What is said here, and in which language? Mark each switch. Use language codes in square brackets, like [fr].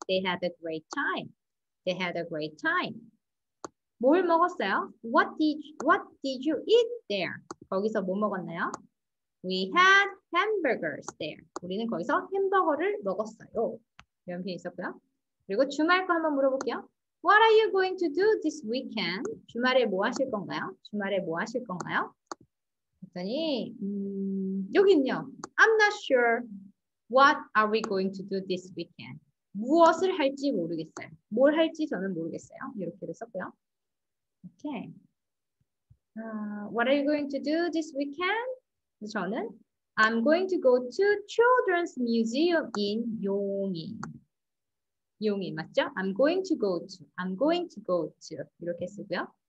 [en] They had a great time. They had a great time. [ko] 뭘 먹었어요? [en] What did you eat there? [ko] 거기서 뭐 먹었나요? [en] We had hamburgers there. [ko] 우리는 거기서 햄버거를 먹었어요. 이런 표현이 있었고요. 그리고 주말 거 한번 물어볼게요. [en] What are you going to do this weekend? [ko] 주말에 뭐 하실 건가요? 주말에 뭐 하실 건가요? 그랬더니 여기는요. [en] I'm not sure. What are we going to do this weekend? [ko] 무엇을 할지 모르겠어요. 뭘 할지 저는 모르겠어요. 이렇게도 썼고요. Okay. [en] What are you going to do this weekend? [ko] 저는 [en] I'm going to go to Children's Museum in 용인. [ko] 용인 맞죠? [en] I'm going to go to. I'm going to go to. [ko] 이렇게 쓰고요.